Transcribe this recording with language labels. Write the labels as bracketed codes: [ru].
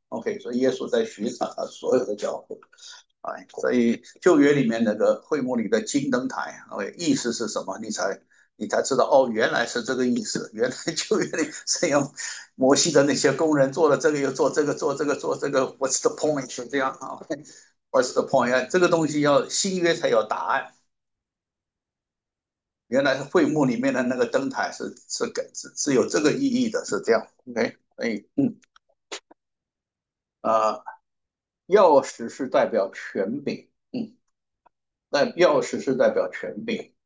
[zh] OK，所以耶稣在寻找他所有的教会。哎，所以旧约里面那个会幕里的金灯台，OK，意思是什么？你才知道哦，原来是这个意思。原来旧约里是用摩西的那些工人做了这个又做这个做这个做这个。 [en] What's the point？ [zh] 是这样啊？ [en] OK，What's the point？ [zh] 这个东西要新约才有答案。原来是会幕里面的那个灯台是有这个意义的，是这样。 OK，所以钥匙是代表权柄，那钥匙是代表权柄。